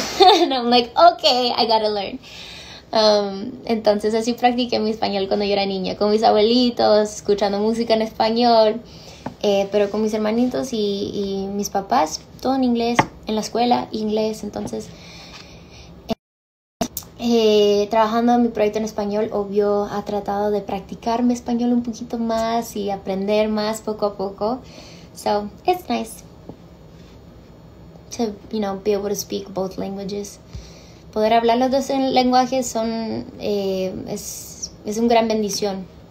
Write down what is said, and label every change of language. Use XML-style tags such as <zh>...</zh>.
<en>And I'm like, okay, I gotta learn.</en> <es>Entonces así practiqué mi español cuando yo era niña, con mis abuelitos, escuchando música en español, pero con mis hermanitos y mis papás, todo en inglés, en la escuela, inglés. Entonces, trabajando en mi proyecto en español, obvio, ha tratado de practicar mi español un poquito más y aprender más poco a poco.</es> <en>So, it's nice to, you know, be able to speak both languages.</en> <es>Poder hablar los dos lenguajes son, es un gran bendición.</es>